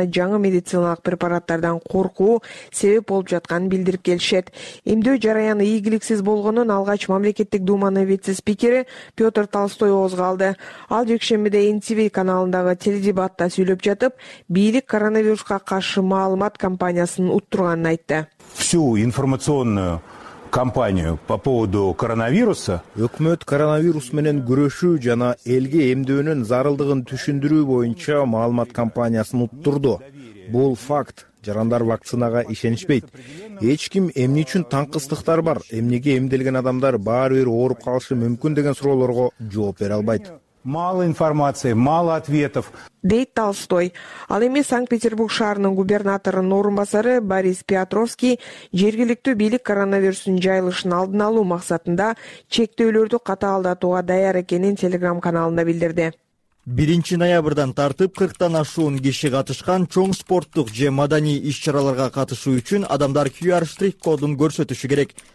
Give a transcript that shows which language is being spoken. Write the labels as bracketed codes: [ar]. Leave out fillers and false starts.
[ky] жана жаңы медициналык препараттардан коркуу себеп болуп жатканын билдирип келишет. Эмдөө жараяны ийгиликсиз болгонун алгач мамлекеттик думанын вице-спикери Петр Толстой козголду. Ал жекшембиде NTV каналындагы теледебатта сүйлөп жатып, бийлик коронавируска каршы маалымат кампаниясын уттурганын айтты. [ru] Всю информационную кампанию по поводу коронавируса. [ky] Өкмөт коронавирус менен күрөшүү жана элге эмдөөнүн зарылдыгын түшүндүрүү боюнча маалымат кампаниясын уттурду. Бул факт. Жарандар вакцинага ишенишпейт. Эч ким эмне үчүн таңкыстыктар бар, эмнеге эмделген адамдар баары бир ооруп калышы мүмкүн деген суроолорго жооп бере албайт. [ru] Мало информации, мало ответов. [ky] Дейт Толстой. Ал эми Санкт-Петербург шаарынын губернаторунун орун басары Борис Петровский жергиликтүү бийлик коронавирустун жайылышын алдын алуу максатында чектөөлөрдү катаалдатууга даяр экенин Telegram каналында билдирди. 1 ноябрдан тартып 40 ашуун киши катышкан чоң спорттук же маданий иш-чараларга катышуу үчүн адамдар QR штрих кодун көрсөтүшү керек.